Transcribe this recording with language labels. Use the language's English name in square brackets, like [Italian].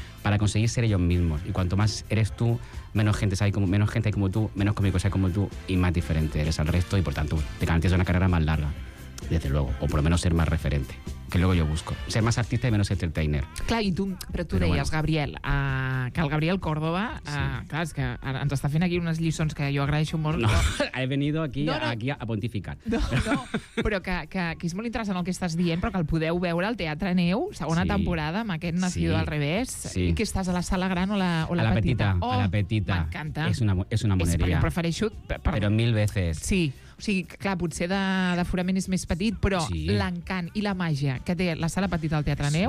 [Spanish] para conseguir ser ellos mismos. Y cuanto más eres tú, menos gente hay como tú, menos cómicos hay como tú y más diferente eres al resto y, por tanto, te garantizas una carrera más larga, desde luego, o por lo menos ser más referente, que luego yo busco. Ser más artista y menos entertainer. [Catalan] Clar, i tu, però tu deies, bueno. Gabriel, que el Gabriel Córdoba, sí. Clar, és que ens està fent aquí unes lliçons que jo agraeixo molt. [Spanish] No, he venido aquí, aquí a pontificar. [Catalan] No, però que és molt interessant el que estàs dient, però que el podeu veure al Teatre Neu, segona sí. temporada, amb aquest nascido sí. al revés, sí. i que estàs a la sala gran o la a la petita. Petita. Oh, a la petita. M'encanta. És una moneria. És, prefereixo... Però [Spanish] mil veces. [Catalan] Sí. O sigui, clar, potser d'aforament és més petit, però sí. l'encant i la màgia que té la sala petita del Teatre Neu...